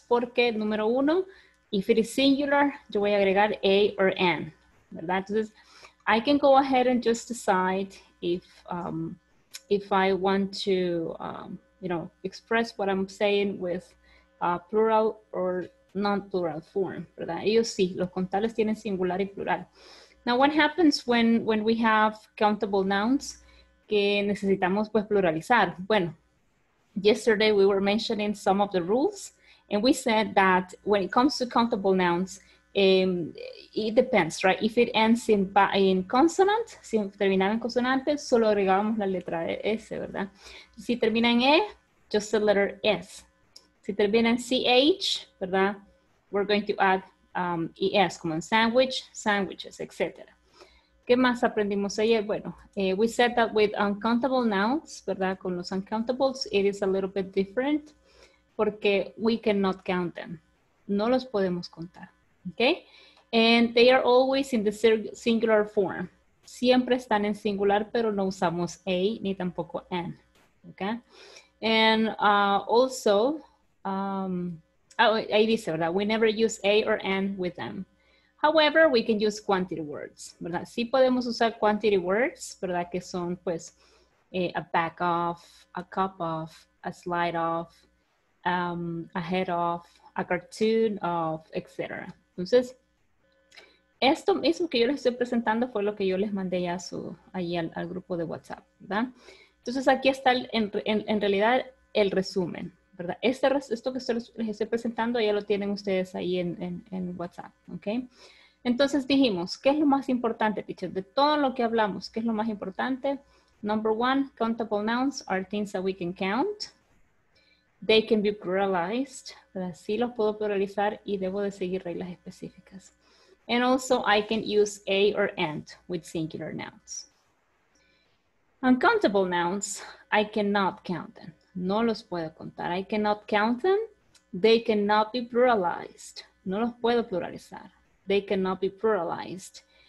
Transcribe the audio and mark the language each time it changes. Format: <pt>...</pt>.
<es>Porque, número uno,</es> <en>if it is singular,</en> <es>yo voy a agregar A or N. ¿Verdad?</es> <en>Entonces, I can go ahead and just decide if I want to, you know, express what I'm saying with plural or non-plural form.</en> <es>¿Verdad? Ellos sí, los contables tienen singular y plural.</es> <en>Now, what happens when we have countable nouns</en> <es>que necesitamos pues pluralizar?</es> <en>Bueno, yesterday we were mentioning some of the rules and we said that when it comes to countable nouns, it depends, right? If it ends in consonant,</en> <es>si termina en consonante, solo agregamos la letra S, ¿verdad? Si termina en E,</es> <en>just the letter S.</en> <es>Si termina en CH, ¿verdad?</es> <en>We're going to add ES,</en> <es>como en</es> <en>sandwich, sandwiches, etc.</en> <es>¿Qué más aprendimos ayer? Bueno,</es> <en>we said that with uncountable nouns,</en> <es>¿verdad? Con los uncountables,</es> <en>it is a little bit different porque we cannot count them.</en> <es>No los podemos contar, okay?</es> <en>And they are always in the singular form.</en> <es>Siempre están en singular, pero no usamos A ni tampoco N, okay?</es> <en>And also, oh,</en> <es>ahí dice, ¿verdad?</es> <en>We never use A or N with them. However, we can use quantity words, ¿verdad?</en> <es>Sí podemos usar</es> <en>quantity words, ¿verdad?</en> <es>Que son, pues,</es> <en>a back of, a cup of, a slide of, a head of, a cartoon of, etc.</en> <es>Entonces, esto mismo que yo les estoy presentando fue lo que yo les mandé ya al grupo de WhatsApp, ¿verdad? Entonces, aquí está en realidad el resumen, ¿verdad? Esto que les estoy presentando ya lo tienen ustedes ahí en WhatsApp, ¿ok? Entonces dijimos, ¿qué es lo más importante, teacher? De todo lo que hablamos, ¿qué es lo más importante?</es> <en>Number one, countable nouns are things that we can count. They can be pluralized.</en> <es>Sí los puedo pluralizar y debo de seguir reglas específicas.</es> <en>And also I can use a or and with singular nouns. Uncountable nouns, I cannot count them.</en> <es>No los puedo contar.</es> <en>I cannot count them. They cannot be pluralized.</en> <es>No los puedo pluralizar.</es> <en>They cannot be pluralized.</en>